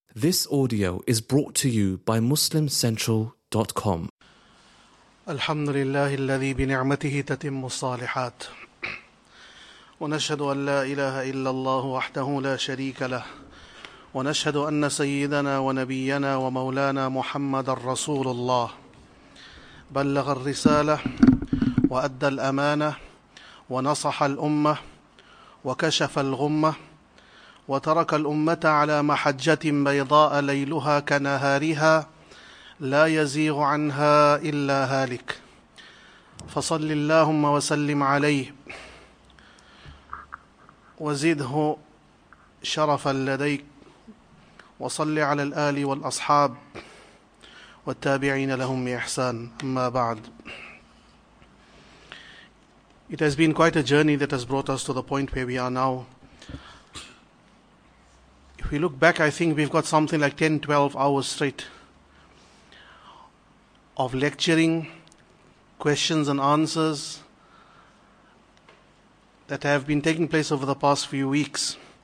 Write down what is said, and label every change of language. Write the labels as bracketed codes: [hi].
[en] This audio is brought to you by MuslimCentral.com. [ar] الحمد لله الذي بنعمته تتم الصالحات ونشهد أن لا إله إلا الله وحده لا شريك له ونشهد أن سيدنا ونبينا ومولانا محمد رسول الله بلغ الرسالة وأدى الأمانة ونصح الأمة وكشف الغمة وترك الأمة على محجة بيضاء ليلها كنهارها لا يزيغ عنها إلا هالك فصل اللهم وسلم عليه وزده شرفا لديك وصل على الآل والأصحاب والتابعين لهم بإحسان أما بعد. [en] It has been quite a journey that has brought us to the point where we are now. If we look back, I think we've got something like 10-12 hours straight of lecturing, questions and answers that have been taking place over the past few weeks.